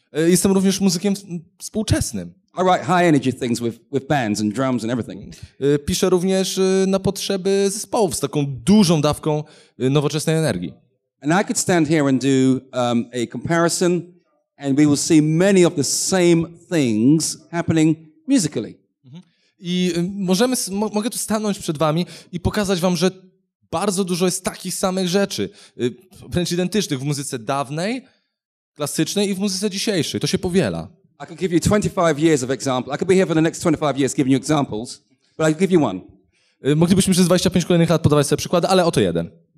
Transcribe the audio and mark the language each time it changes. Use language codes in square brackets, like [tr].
[pl] Jestem również muzykiem współczesnym. [en] I write high energy things with bands and drums and everything. [pl] Piszę również na potrzeby zespołów z taką dużą dawką nowoczesnej energii. [en] And I could stand here and do a comparison and we will see many of the same things happening musically. [pl] I możemy mogę tu stanąć przed wami i pokazać wam, że bardzo dużo jest takich samych rzeczy, wręcz identycznych w muzyce dawnej, klasycznej i w muzyce dzisiejszej. To się powiela. [en] I could give you 25 years of example. I could be here for the next 25 years giving you examples, but I'll give you one. [pl] Moglibyśmy przez 25 kolejnych lat podawać sobie przykłady, ale oto jeden.